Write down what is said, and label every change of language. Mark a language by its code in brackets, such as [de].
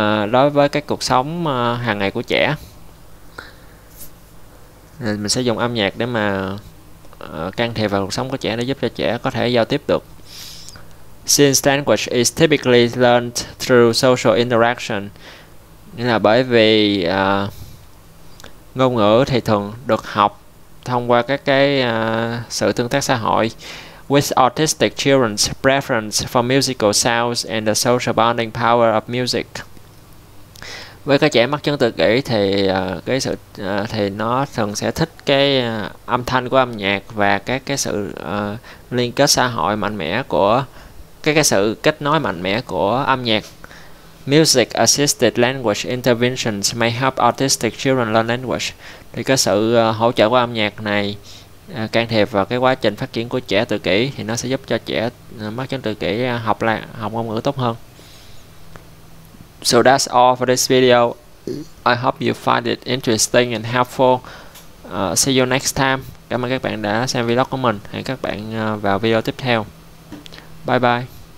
[vi] Đối với cái cuộc sống hàng ngày của trẻ, nên mình sẽ dùng âm nhạc để mà can thiệp vào cuộc sống của trẻ để giúp cho trẻ có thể giao tiếp được. [en] Since language is typically learned through social interaction, [vi] nghĩa là bởi vì ngôn ngữ thì thường được học thông qua các cái sự tương tác xã hội. [en] With autistic children's preference for musical sounds and the social bonding power of music. [vi] Với các trẻ mắc chứng tự kỷ thì cái sự thì nó thường sẽ thích cái âm thanh của âm nhạc và các cái sự liên kết xã hội mạnh mẽ của cái sự kết nối mạnh mẽ của âm nhạc. [en] Music assisted language interventions may help autistic children learn language. [vi] Thì cái sự hỗ trợ của âm nhạc này can thiệp vào cái quá trình phát triển của trẻ tự kỷ thì nó sẽ giúp cho trẻ mắc chứng tự kỷ học lại học ngôn ngữ tốt hơn. [en] So that's all for this video. I hope you find it interesting and helpful. See you next time. [vi] Cảm ơn các bạn đã xem vlog của mình. Hẹn các bạn vào video tiếp theo. Bye bye.